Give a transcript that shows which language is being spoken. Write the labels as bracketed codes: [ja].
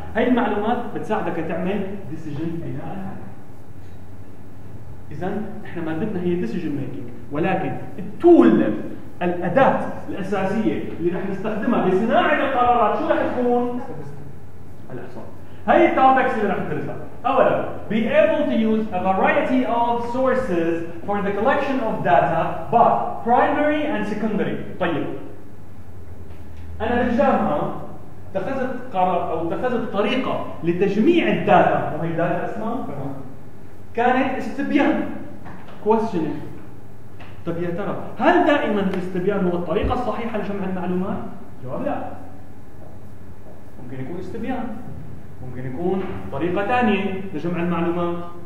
[ar] هاي المعلومات بتساعدك تعمل decision بناء. إذن إحنا ما بدنا هي decision making، ولكن التول، الأداة الأساسية اللي رح نستخدمها بصناعة القرارات شو رح تكون؟ الإحصاء. هاي التوبكس اللي رح ندرسها. أولاً [en] be able to use a variety of sources for the collection of data both primary and secondary. [ar] طيب أنا بالجامعة اتخذت قرار أو اتخذت طريقة لتجميع الداتا، وهي داتا اسمها كانت استبيان questioning. طب يا ترى هل دائما الاستبيان هو الطريقه الصحيحه لجمع المعلومات؟ جواب لا، ممكن يكون استبيان، ممكن يكون طريقه ثانيه لجمع المعلومات.